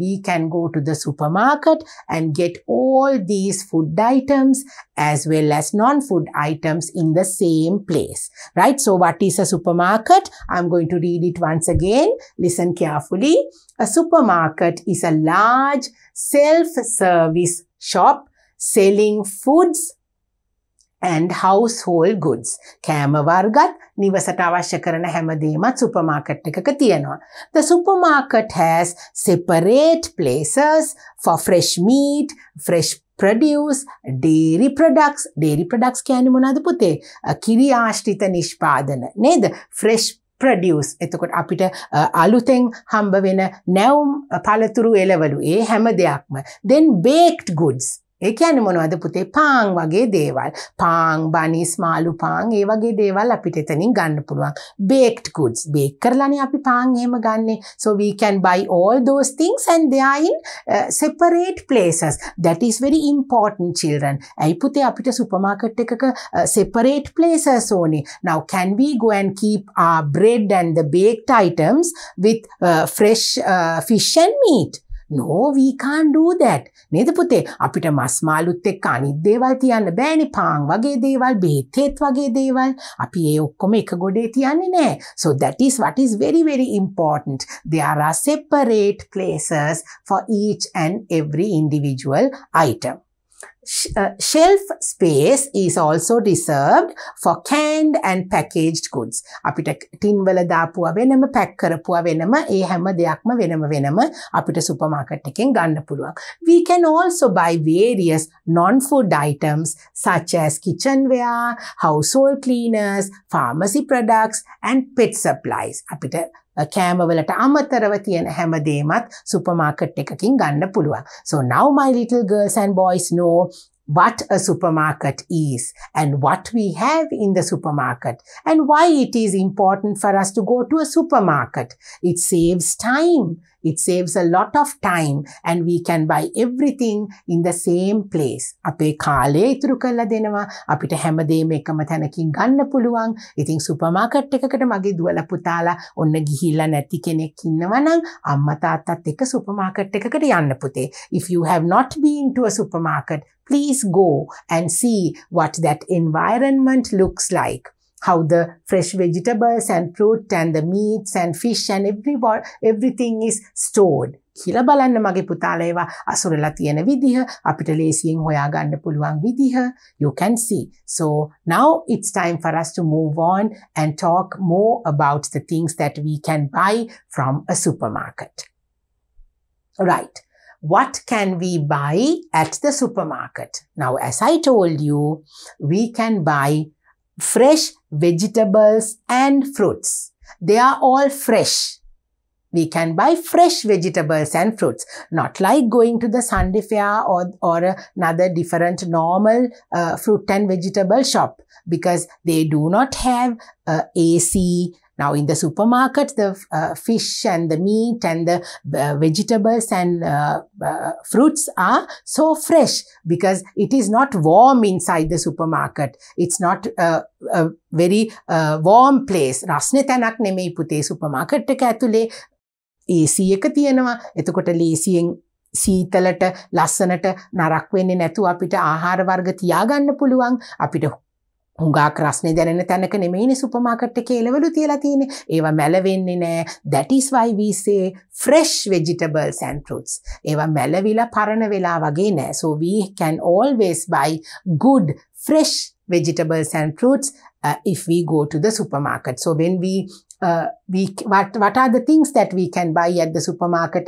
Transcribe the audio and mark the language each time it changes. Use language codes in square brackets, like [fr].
[en] We can go to the supermarket and get all these food items as well as non-food items in the same place. Right? So what is a supermarket? I'm going to read it once again. Listen carefully. A supermarket is a large self-service shop selling foods and household goods. [si] කෑම වර්ගත් නිවසට අවශ්‍ය කරන හැමදේමත් super market එකක තියෙනවා. [en] The supermarket has separate places for fresh meat, fresh produce, dairy products. Dairy products [si] කියන්නේ මොනවද පුතේ? කිරි ආශ්‍රිත නිෂ්පාදන නේද? [en] Fresh produce. [si] එතකොට අපිට අලුතෙන් හම්බ වෙන නැවුම් පළතුරු එළවලු ඒ හැම දෙයක්ම. [en] Then baked goods. [si] ඒ කියන්නේ මොනවද පුතේ? පාන් වගේ දේවල්. පාන්, බනිස්, මාළු පාන් ඒ වගේ දේවල් අපිට එතනින් ගන්න පුළුවන්. [en] Baked goods. [si] බේක් කරලානේ අපි පාන් එහෙම ගන්නෙ. [en] So we can buy all those things and they are in separate places. That is very important children. [si] ඇයි පුතේ අපිට සුපර් මාකට් එකක [en] separate places [si] ඕනේ? [en] Now can we go and keep our bread and the baked items with fresh fish and meat? No, we can't do that. [si] නේද පුතේ? අපිට මස් මාළුත් එක්ක අනිත් දේවල් තියන්න බෑනේ. පාන් වගේ දේවල්, බේතේත් වගේ දේවල්. අපි ඒ ඔක්කොම එක ගොඩේ තියන්නේ නෑ. [en] So that is what is very, very important. There are separate places for each and every individual item. Shelf space is also reserved for canned and packaged goods. [si] අපිට ටින් වල දාපුවා වෙනම පැක් කරපුවා වෙනම ඒ හැම දෙයක්ම වෙනම වෙනම අපිට සුපර් මාකට් එකෙන් ගන්න පුළුවන්. [en] We can also buy various non-food items such as kitchenware, household cleaners, pharmacy products and pet supplies. [si] අපිට කෑම වලට අමතරව තියෙන හැම දෙයක්මත් සුපර් මාකට් එකකින් ගන්න පුළුවන්. [en] So now my little girls and boys know what a supermarket is and what we have in the supermarket and why it is important for us to go to a supermarket. It saves time. It saves a lot of time and we can buy everything in the same place. [si] අපේ කාලය ඉතුරු කරලා දෙනවා. අපිට හැමදේම එකම තැනකින් ගන්න පුළුවන්. ඉතින් සුපර් මාකට් එකකට මගේ දුවල පුතාලා ඔන්න ගිහිල්ලා නැති කෙනෙක් ඉන්නවනම් අම්මා තාත්තත් එක්ක සුපර් මාකට් එකකට යන්න පුතේ. [en] If you have not been to a supermarket, please go and see what that environment looks like. How the fresh vegetables and fruit and the meats and fish and everything is stored. [si] කියලා බලන්න මගේ පුතාලා ඒවා අසුරලා තියෙන විදිහ අපිට ලේසියෙන් හොයා ගන්න පුළුවන් විදිහ [en] you can see. So now it's time for us to move on and talk more about the things that we can buy from a supermarket. Right. What can we buy at the supermarket? Now as I told you, we can buy fresh vegetables and fruits. They are all fresh. We can buy fresh vegetables and fruits. Not like going to the Sunday fair or another different normal fruit and vegetable shop because they do not have AC. Now in the supermarket, the fish and the meat and the vegetables and fruits are so fresh because it is not warm inside the supermarket. It's not a very warm place. [si] රස්නේ තැනක් නෙමෙයි පුතේ supermarket එක ඇතුලේ AC එක තියෙනවා. එතකොට ලේසියෙන් සීතලට ලස්සනට නරක් වෙන්නේ නැතුව අපිට ආහාර වර්ග තියාගන්න පුළුවන් අපිට හුඟාක් රස්නේ දැනෙන තැනක නෙමෙයිනේ සුපර් මාකට් එකේ එළවලු තියලා තියෙන්නේ. ඒවා මැලවෙන්නේ නැහැ. [en] That is why we say fresh vegetables and fruits. [si] ඒවා මැලවිලා පරණ වෙලා වගේ නැහැ. [en] So we can always buy good fresh vegetables and fruits if we go to the supermarket. So when we What are the things that we can buy at the supermarket?